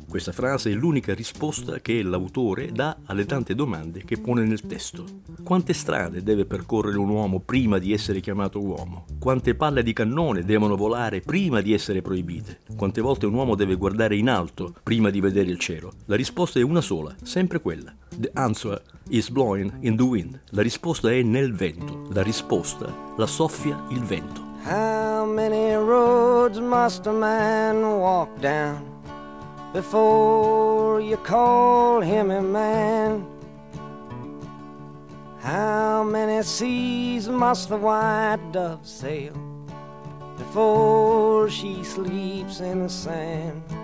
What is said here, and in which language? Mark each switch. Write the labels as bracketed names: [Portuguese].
[Italian] Questa frase è l'unica risposta che l'autore dà alle tante domande che pone nel testo. Quante strade deve percorrere un uomo prima di essere chiamato uomo? Quante palle di cannone devono volare prima di essere proibite? Quante volte un uomo deve guardare in alto prima di vedere il cielo? La risposta è una sola, sempre quella. [English] The answer is blowing in the wind. [Italian] La risposta è nel vento. La risposta la soffia il vento. [English] How many roads must a man walk down before you call him a man? How many seas must the white dove sail before she sleeps in the sand?